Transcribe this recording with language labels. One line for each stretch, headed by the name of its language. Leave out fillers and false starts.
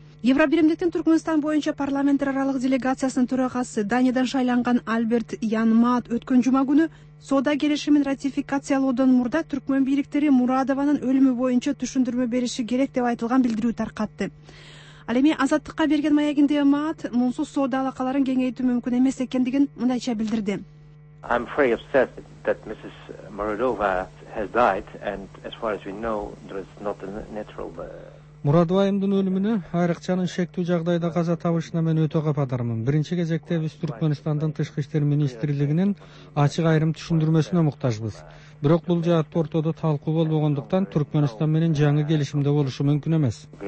Kyrgyz: Евробиримдиктин Түркмөнстан боюнча парламенттер аралык делегациясынын төрагасы Даниядан шайланган Альберт Янмаат өткөн жума күнү соода келишимин ратификациялоодон мурда түркмөн бийликтери Мурадованын өлүмү боюнча түшүндүрмө бериши керек деп айтылган билдирүү таркатты. Ал эми азаттыкка берген маегинде Маат мунсуз соода алакаларын кеңейтүү мүмкүн эмес экендигин мындайча билдирди.
English: I'm very upset that Mrs. Muradova has died and as far as we know there is not a natural
Kyrgyz: Мурадоевдин өлүмүнө айрыкчанын шектүү жагдайда каза табышына мен өтө кападармын. Биринчи кезекте биз Түркмөнстандын тышкы иштер министрлигинин ачык айрым түшүндүрмөсүнө муктажбыз. Бирок бул жаат ортодо талкуу болбогондуктан Түркмөнстан менен жаңы келишимде болушу мүмкүн эмес.